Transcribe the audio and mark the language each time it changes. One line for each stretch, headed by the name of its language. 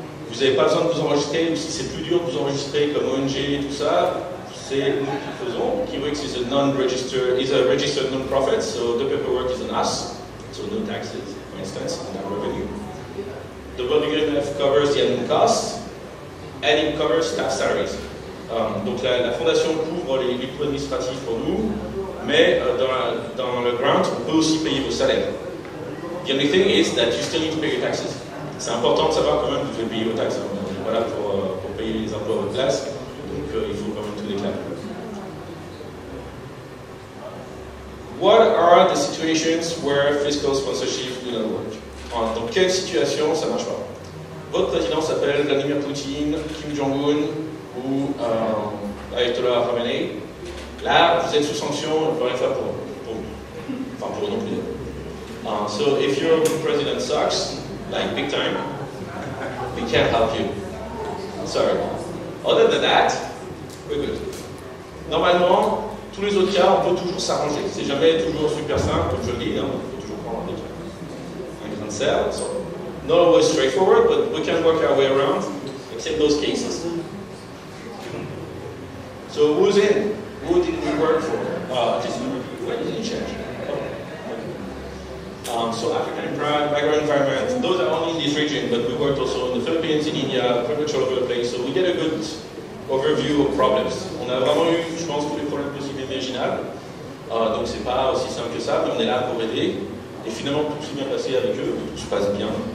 French: Vous n'avez pas besoin de vous enregistrer, ou si c'est plus dur de vous enregistrer comme ONG et tout ça, c'est nous qui faisons.
English: Kiwix is a registered non-profit, so the paperwork is on us, so no taxes, for instance, on our revenue. The WMF covers the admin costs, and it covers staff salaries.
French: Donc la fondation couvre les coûts administratifs pour nous, mais dans le grant, on peut aussi payer vos salaires.
English: The only thing is that you still need to pay your taxes.
French: C'est important de savoir quand même que vous devez payer vos taxes. Voilà, pour payer les impôts à votre place, donc il faut quand même tout déclarer.
English: What are the situations where fiscal sponsorship will not work?
French: Dans quelle situation ça ne marche pas? Votre président s'appelle Vladimir Poutine, Kim Jong-un ou Ayatollah Khamenei. Là, vous êtes sous sanction, on ne peut rien faire pour vous. Enfin, pour vous non plus.
English: So, if your president sucks, like big time, we can't help you. Sorry. Other than that, we're good.
French: Normalement, tous les autres cas, on peut toujours s'arranger. C'est jamais toujours super simple, comme je le dis, hein. On peut toujours prendre des cas. Un grain de sel, so.
English: Not always straightforward, but we can work our way around, except those cases. So who's in? Who did we work for? Why did it change? So African migrant environment, those are only in this region, but we worked also in the Philippines, in India, pretty much all over the place, so we get a good overview of problems.
French: On a vraiment eu, je pense, tous les problèmes possibles imaginables. Donc c'est pas aussi simple que ça, mais on est là pour aider. Et finalement, tout s'est bien passé avec eux, tout se passe bien.